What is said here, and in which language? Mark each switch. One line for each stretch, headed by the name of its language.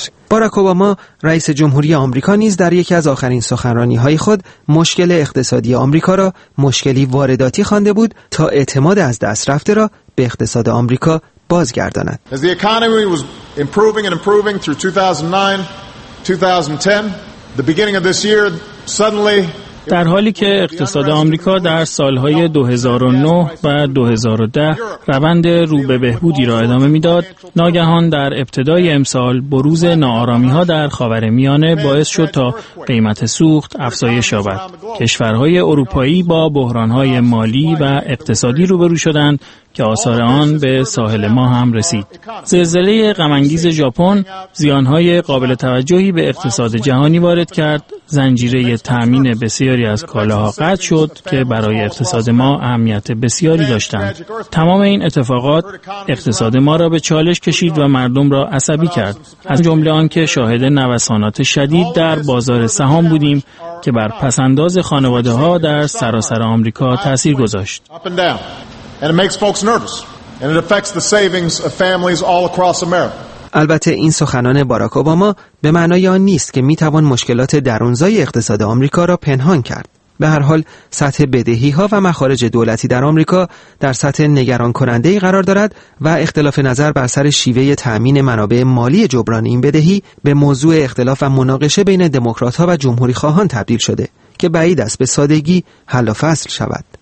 Persian: باراک اوباما رئیس جمهوری آمریکا نیز در یکی از آخرین سخنرانی‌های خود مشکل اقتصادی آمریکا را مشکلی وارداتی خوانده بود تا اعتماد از دست رفته را به اقتصاد آمریکا بازگرداند.
English: As the economy was improving and improving through 2009-2010, the beginning of this year suddenly
Persian: در حالی که اقتصاد آمریکا در سال‌های 2009 و 2010 روند رو به بهبودی را ادامه می‌داد، ناگهان در ابتدای امسال بروز ناآرامی‌ها در خاورمیانه باعث شد تا قیمت سوخت افزایش یابد. کشورهای اروپایی با بحران‌های مالی و اقتصادی روبرو شدند که آثار آن به ساحل ما هم رسید. زلزله غم‌انگیز ژاپن زیان‌های قابل توجهی به اقتصاد جهانی وارد کرد، زنجیره تأمین بسیاری از کالاها قطع شد که برای اقتصاد ما اهمیت بسیاری داشتند. تمام این اتفاقات اقتصاد ما را به چالش کشید و مردم را عصبی کرد. از جمله آن که شاهد نوسانات شدید در بازار سهام بودیم که بر پسنداز خانواده‌ها در سراسر آمریکا تأثیر گذاشت.
English: And it makes folks nervous, and it affects the savings of families all across America.
Persian: البته این سخنان باراک اوباما به معنای آن نیست که میتوان مشکلات درونزای اقتصاد آمریکا را پنهان کرد. به هر حال سطح بدهی ها و مخارج دولتی در آمریکا در سطح نگران کننده ای قرار دارد و اختلاف نظر بر سر شیوه تامین منابع مالی جبران این بدهی به موضوع اختلاف و مناقشه بین دموکرات ها و جمهوری خواهان تبدیل شده که بعید است به سادگی حل و فصل شود.